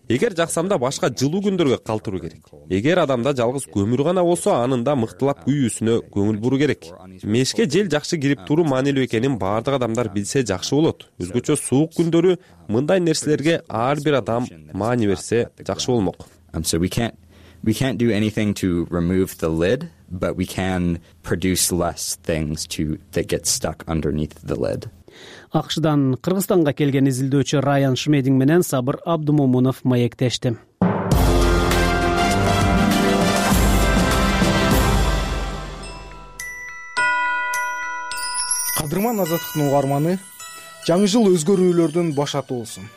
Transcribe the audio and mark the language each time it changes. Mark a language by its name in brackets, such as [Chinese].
[Kyrgyz] Эгер жаксам да башка жылуу күндөргө калтыруу керек. Эгер адамда жалгыз көмүр гана болсо, анын да мыктылап күйүүсүнө көңүл буруу керек. Мешке жел жакшы кирип туруу маанилүү экенин баардык адамдар билсе жакшы болот. Өзгөчө суук күндөрү мындай нерселерге ар бир адам маани берсе жакшы болмок. [English] We can't do anything to remove the lid, but we can produce less things that get stuck underneath the lid. [Kyrgyz] АКШдан Кыргызстанга келген изилдөөчү Райан Шмединг менен Сабыр Абдымомунов маектешти. Кадырман Азаттыктын угарманы, жаңы жыл өзгөрүүлөрдүн башаты болсун.